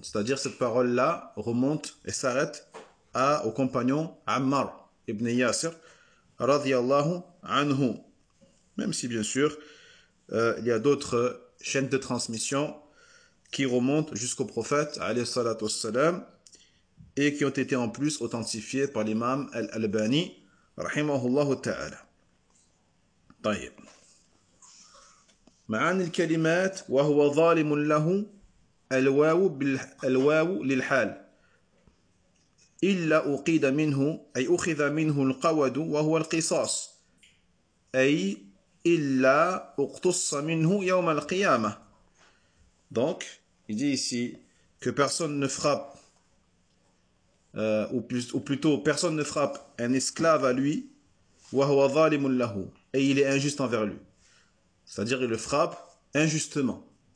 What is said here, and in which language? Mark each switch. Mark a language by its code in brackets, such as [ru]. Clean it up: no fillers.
[fr] C'est-à-dire cette parole-là remonte et s'arrête au compagnon Ammar ibn Yasir, radiyallahu anhu. Même si bien sûr, il y a d'autres chaînes de transmission qui remontent jusqu'au prophète, alayhi salatu wassalam, et qui ont été en plus authentifiées par l'imam al-Albani, rahimahullahu ta'ala. [ar] طيب معاني الكلمات وهو ظالم له الواو بالواو للحال الا اقيد منه اي اخذ منه القود وهو القصاص اي الا اقتص منه يوم القيامه. [fr] Donc il dit ici que personne ne frappe ou plutôt personne ne frappe un esclave à lui [ar] وهو ظالم له. [fr] Et il est injuste envers lui. C'est-à-dire il le frappe injustement.